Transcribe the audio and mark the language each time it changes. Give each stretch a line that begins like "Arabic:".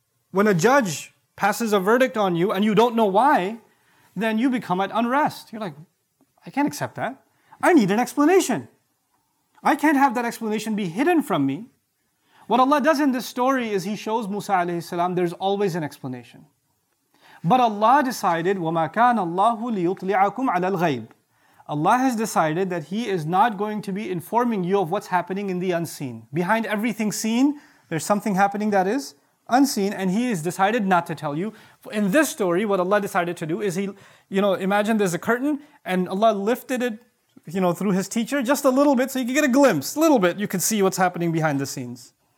English: When a judge passes a verdict on you and you don't know why, then you become at unrest. You're like, I can't accept that. I need an explanation. I can't have that explanation be hidden from me. What Allah does in this story is He shows Musa alayhi salam there's always an explanation. But Allah decided,
Arabic: وَمَا كَانَ اللَّهُ لِيُطْلِعَكُمْ عَلَى الْغَيْبِ.
English: Allah has decided that He is not going to be informing you of what's happening in the unseen. Behind everything seen, there's something happening that is unseen, and He has decided not to tell you. In this story, what Allah decided to do is He, you know, imagine there's a curtain, and Allah lifted it, you know, through His teacher, just a little bit, so you can get a glimpse, a little bit, you can see what's happening behind the scenes.